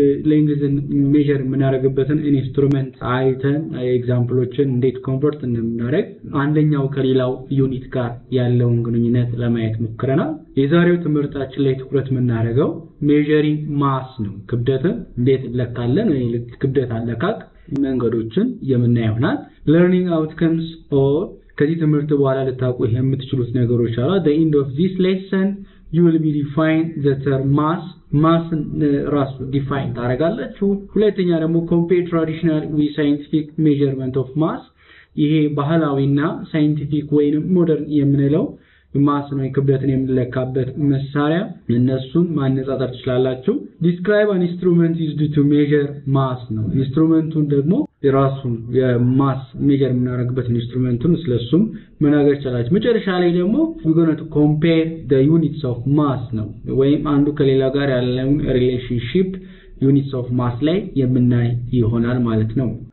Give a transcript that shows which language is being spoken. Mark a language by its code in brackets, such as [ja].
[am] ሌንግዝን ሜጀር የምናደርግበትን ኢንስትሩመንት አይተን ኤግዛምፕሎችን እንዴት ኮንቨርት እንደምናደርግ አንደኛው ከሌላው ዩኒት ጋር ያለውን ግንኙነት ለማየት ሞክረናል። የዛሬው ትምህርታችን ላይ ትኩረት የምናደርገው ሜጀሪንግ ማስ ነው። ክብደትን እንዴት እንለካለን ወይ ክብደት አለካክ መንገዶችን የምናይ ይሆናል። ለርኒንግ አውትካምስ ኦር ከዚህ ትምህርት በኋላ ልታውቁ የምትችሉት ነገሮች አሉ። ዘ ኢንድ ኦፍ ዚስ ሌሰን [en] you will be define the term mass. Mass ras define [am] ታረጋላችሁ። ሁለተኛ ደግሞ [en] compare traditional with scientific measurement of mass. [am] ይሄ ባህላዊና scientific ወይም modern የምንለው mass ነው የክብደትን የምንለካበት መሳሪያ እነሱን ማነጻጸር ትችላላችሁ። [en] describe an instrument used to measure mass [am] ነው instrumentን ደግሞ የራሱን የማስ ሜጀር የምናደርግበትን ኢንስትሩመንቱን ስለሱም መናገር ይችላል። መጨረሻ ላይ ደግሞ [en] we going to compare the units of mass [am] ነው ወይም አንዱ ከሌላ ጋር ያለውን relationship units of mass ላይ የምናይ ይሆናል ማለት ነው።